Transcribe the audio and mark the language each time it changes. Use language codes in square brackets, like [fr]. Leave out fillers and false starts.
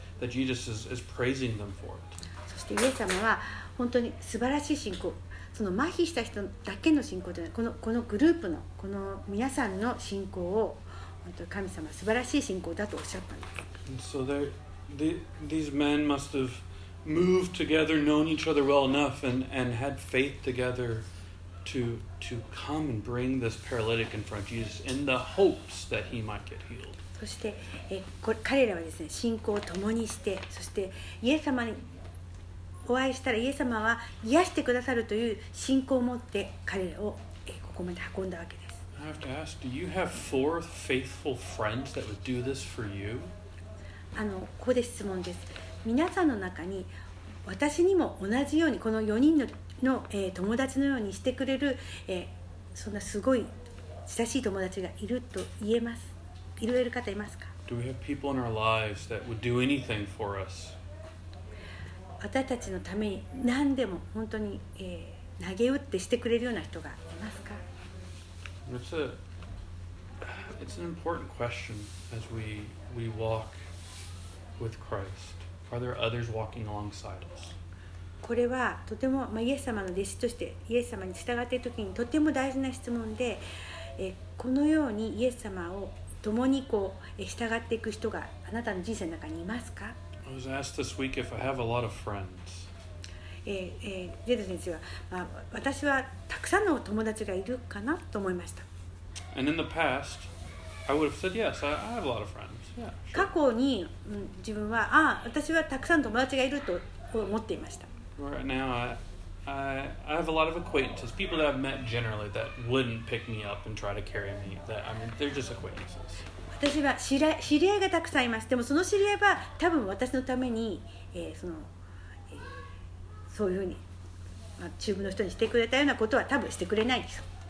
[en] That Jesus is praising them for it. [ja] そしてイエス様は本当に素晴らしい信仰、その麻痺した人だけの信仰ではない、このグループのこの皆さんの信仰を本当神様素晴らしい信仰だとおっしゃったんです。 [en] And so these men must have moved together, known each other well enough, and had faith together to come and bring this paralytic in front of Jesus in the hopes that he might get healed. [ja] そしてえこ彼らはですね、信仰を共にして、そしてイエス様にお会いしたらイエス様は癒してくださるという信仰を持って彼らをここまで運んだわけです。 [en] I have to ask, do you have four faithful friends that would do this for you? [ja] ここで質問です。皆さんの中に私にも同じようにこの4人 の、友達のようにしてくれる、そんなすごい親しい友達がいると言えます。いろいろ方いますか。 [en] Do we have people in our lives that would do anything for us? [ja] 私たちのために何でも本当に、投げ打ってしてくれるような人がいますか。 [en] It's an important question as we walk with Christ. Are there others walking alongside us? [ja] これはとても、まあ、イエス様の弟子としてイエス様に従っている時にとても大事な質問で、このようにイエス様を共にこう従っていく人があなたの人生の中にいますか。 [en] I was asked this week if I have a lot of friends. [ja] ジェド先生は、まあ、私はたくさんの友達がいるかなと思いました。 [en] And in the past, I would have said yes, I have a lot of friends. [ja] 過去に自分は、ああ、私はたくさん友達がいると思っていました。 [en] Right now, I have a lot of acquaintances, people that I've met generally that wouldn't pick me up and try to carry me. That, I mean, they're just acquaintances. [ja] 私は知り合いがたくさんいます。でもその知り合いは多分私のために、そういうふうに、チームの人にしてくれたようなことは多分してくれないです。